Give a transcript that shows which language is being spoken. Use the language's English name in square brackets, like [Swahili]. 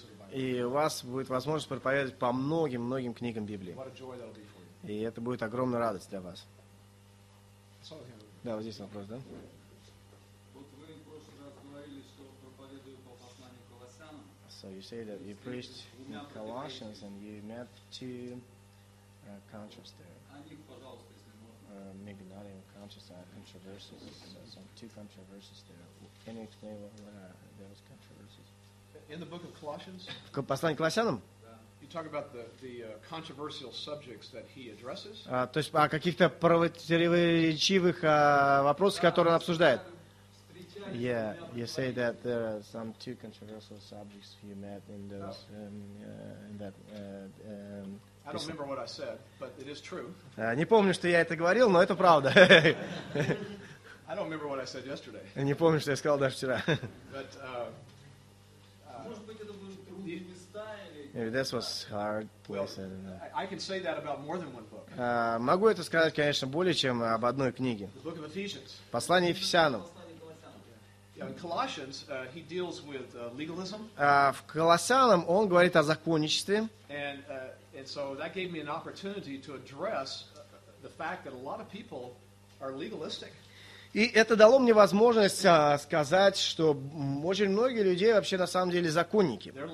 [Russian] И у вас будет возможность проповедовать по многим-многим книгам Библии. И это будет огромная радость для вас. Да, вот здесь вопрос, да? Вот вы в прошлый раз говорили, что проповедую по посланию к Колоссянам. [English] So you say that you preached in Colossians and you met two countries there. Maybe not even countries, controversies. Some two controversies there. Can you explain what are those controversies? In the book of Colossians. [Russian] В послании к Колоссянам. [English] You talk about the controversial subjects that he addresses. [Russian] То есть о каких-то противоречивых вопросах, которые он обсуждает. [English] Yeah, you say that there are some two controversial subjects you met in those I don't remember what I said, but it is true. [Russian] Не помню, что я это говорил, но это правда. [English] I don't remember what I said yesterday. [Russian] Не помню, что я сказал даже вчера. [English] But maybe this was hard. Well, I can say that about more than one book. [Russian] Могу это сказать, конечно, более чем об одной книге. [English] The book of Ephesians. [Russian] Послание Ефесянам. [English] In Colossians, he deals with legalism. [Russian] В Колоссянам он говорит о законничестве. [English] And so that gave me an opportunity to address the fact that a lot of people are legalistic. [Russian] И это дало мне возможность сказать, что очень многие люди вообще на самом деле законники.